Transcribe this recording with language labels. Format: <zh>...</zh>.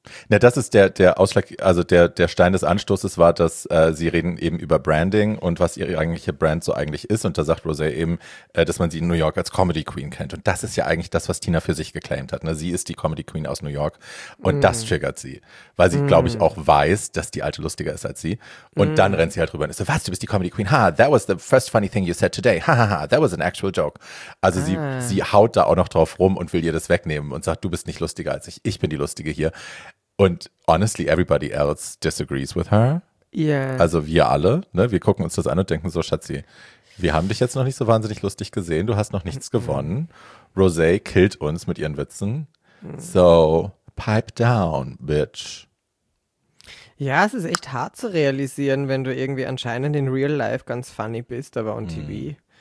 <de>Na, das ist der Ausschlag, also der Stein des Anstoßes war, dass sie reden eben über Branding und was ihre eigentliche Brand so eigentlich ist. Und da sagt Rosé eben, dass man sie in New York als Comedy Queen kennt. Und das ist ja eigentlich das, was Tina für sich geclaimed hat. Ne? Sie ist die Comedy Queen aus New York und das triggert sie, weil sie, glaube ich, auch weiß, dass die Alte lustiger ist als sie. Und dann rennt sie halt rüber und ist so, was, du bist die Comedy Queen?</de> <en>Ha, that was the first funny thing you said today. Ha, ha, ha, that was an actual joke.</en> <de>Also sie haut da auch noch drauf rum und will ihr das wegnehmen und sagt, du bist nicht lustiger als ich. Ich bin die Lustige hier.</de> <en>Und honestly, everybody else disagrees with her.</en> <de>Ja. Yeah. Also wir alle, ne, wir gucken uns das an und denken so, Schatzi, wir haben dich jetzt noch nicht so wahnsinnig lustig gesehen, du hast noch nichts gewonnen. Rosé killt uns mit ihren Witzen.</de> <en>So, pipe down, bitch.</en> <de>Ja, es ist echt hart zu realisieren, wenn du irgendwie anscheinend</de> <en>in real life</en> <de>ganz funny bist, aber</de> <en>on TV</en>